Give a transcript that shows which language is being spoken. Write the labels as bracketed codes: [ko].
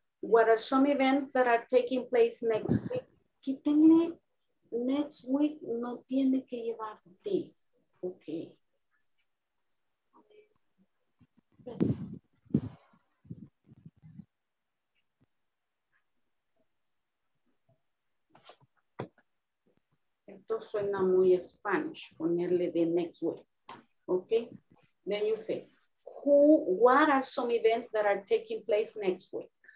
[en] What are some events that are taking place next week? [es] Quítenle, [en] next week [es] no tiene que llevar de. Okay. Esto suena muy Spanish, ponerle de [en] next week. Okay. Then you say, what are some events that are taking place next week?